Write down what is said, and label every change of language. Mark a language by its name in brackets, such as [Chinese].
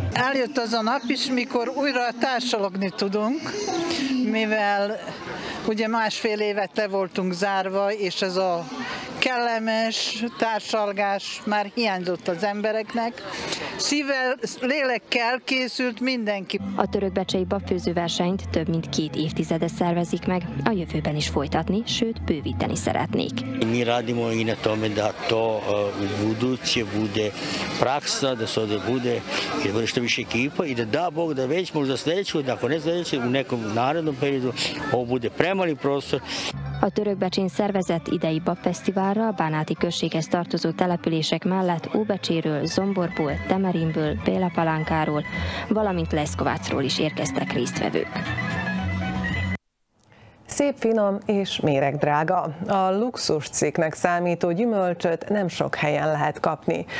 [Hungarian] Eljött az a nap is, mikor újra társalogni tudunk, mivel ugye másfél évet le voltunk zárva, és ez a kellemes társalgás már hiányzott az embereknek. Szívvel, lélekkel készült mindenki. A törökbecsei babfőző versenyt több mint két évtizede szervezik meg. A jövőben is folytatni, sőt, bővíteni szeretnék. [Serbian] Mi radimo i na tome, da to buduće bude praksa, da se ovde bude, da bude što više ekipa i da da Bog da već možda sledeću, da ako ne sledeću, u nekom narednom periodu, ovo bude premali prostor. [Hungarian] A törökbecsén szervezett idei babfesztiválra a bánáti községhez tartozó települések mellett Óbecséről, Zomborból, Temerinből, Bélapalánkáról, valamint Leszkovácról is érkeztek résztvevők. Szép, finom és méreg drága. A luxus cikknek számító gyümölcsöt nem sok helyen lehet kapni.